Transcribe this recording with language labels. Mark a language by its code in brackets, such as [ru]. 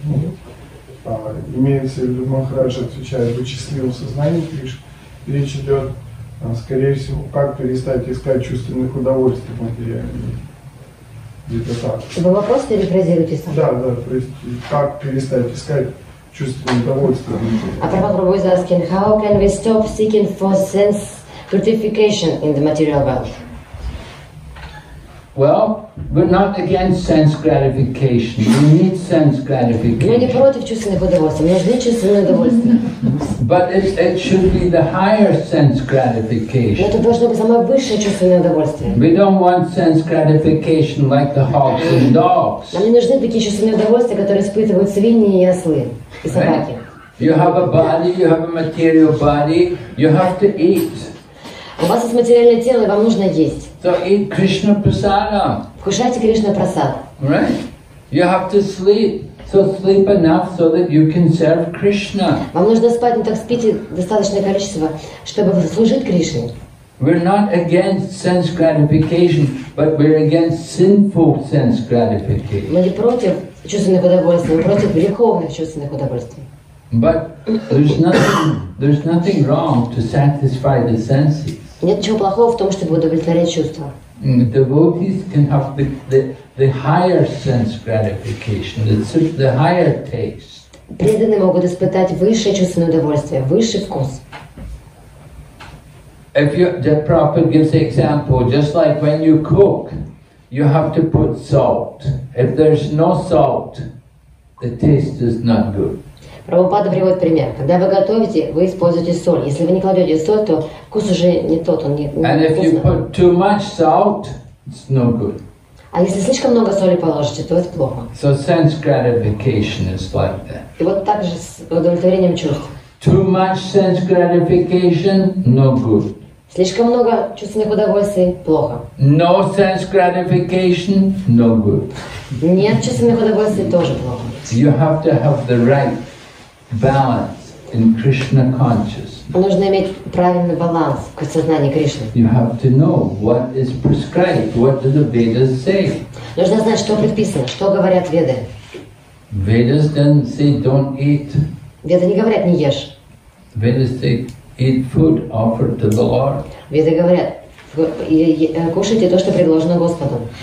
[ru] Ну, имеется в виду, Махарадж отвечает, быть счастливым в сознании Кришны. Речь идет скорее всего, как перестать искать чувственных удовольствий в материальном мире? Где-то так. Вы вопрос перефразируетесь? Да, да. То есть, как перестать искать чувственное удовольствие в материале? [en] А Прабхупада was asking, how can we stop seeking for sense gratification in the material world? Well, we're not against sense gratification. We need sense gratification. [ru] Я не против чувственных удовольствий. Мне нужны чувственные удовольствия. [en] But it should be the higher sense gratification. [ru] Это должно быть самое высшее чувственное удовольствие. [en] We don't want sense gratification like the hawks and dogs. [ru] Нам не нужны такие чувственные удовольствия, которые испытывают свиньи и ослы и собаки. [en] You have a body. You have a material body. You have to eat. [ru] У вас есть материальное тело, и вам нужно есть. [en] So eat Krishna prasada. [ru] Кушайте Кришна прасад. [en] Right? You have to sleep. So sleep enough so that you can serve Krishna. [ru] Вам нужно спать, но так спите достаточное количество, чтобы служить Кришне. [en] We're not against sense gratification, but we're against sinful sense gratification. [ru] Мы не против чувственных удовольствий, мы против греховных чувственных удовольствий. [en] But there's nothing wrong to satisfy the senses. [ru] Нет ничего плохого в том, чтобы удовлетворять чувства. [en] Devotees can have the higher sense gratification, the higher taste. [ru] Преданные могут испытать высшее чувственное удовольствие, высший вкус. [en] If the Prabhupada gives example, just like when you cook, you have to put salt. If there's no salt, the taste is not good. [ru] Прабхупада приводит пример. Когда вы готовите, вы используете соль. Если вы не кладете соль, то вкус уже не тот, он не вкусный. [en] And if you put too much salt, it's no good. [ru] А если слишком много соли положите, то это плохо. [en] So sense gratification is like that. [ru] И вот так же с удовлетворением чувств. [en] Too much sense gratification, no good. [ru] Слишком много чувственных удовольствий, плохо. [en] No sense gratification, no good. [ru] Нет чувственных удовольствий, тоже плохо. [en] You have to have the right balance in Krishna consciousness. [ru] Нужно иметь правильный баланс в сознании Кришны. [en] You have to know what is prescribed. What do the Vedas say? [ru] Нужно знать, что предписано, что говорят Веды. [en] Vedas don't say don't eat. [ru] Веды не говорят не ешь. [en] Vedas say eat food offered to the Lord. [ru] Веды говорят кушайте то, что предложено Господу.